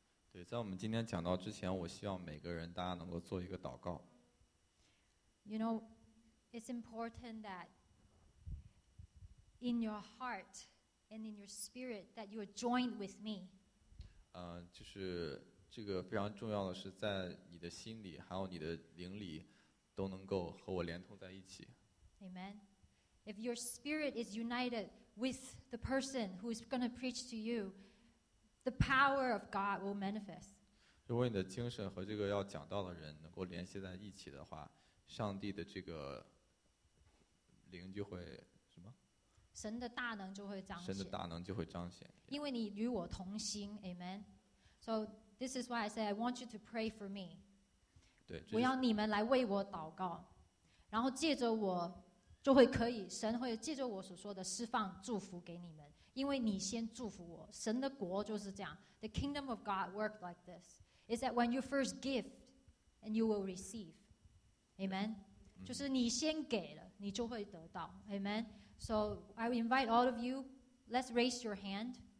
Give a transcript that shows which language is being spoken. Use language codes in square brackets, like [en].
[zh] 对，在我们今天讲到之前，我希望每个人大家能够做一个祷告。 [en] You know, it's important that in your heart and in your spirit that you are joined with me. [zh] 就是这个非常重要的是在你的心里还有你的灵里都能够和我连通在一起。 [en] Amen. If your spirit is united with the person who is going to preach to you, the power of God will manifest. [zh] 如果你的精神和这个要讲道的人能够联系在一起的话，上帝的这个灵就会什么？神的大能就会彰显。神的大能就会彰显。因为你与我同心 ，Amen. [en] So this is why I say I want you to pray for me. [zh] 对，我要你们来为我祷告，然后借着我就会可以，神会借着我所说的释放祝福给你们，因为你先祝福我。神的国就是这样 [en] ，The kingdom of God worked like this. Is that when you first give, and you will receive. [zh] Amen. 就是你先给了，你就会得到。Amen. [en] So I invite all of you, let's raise your hand.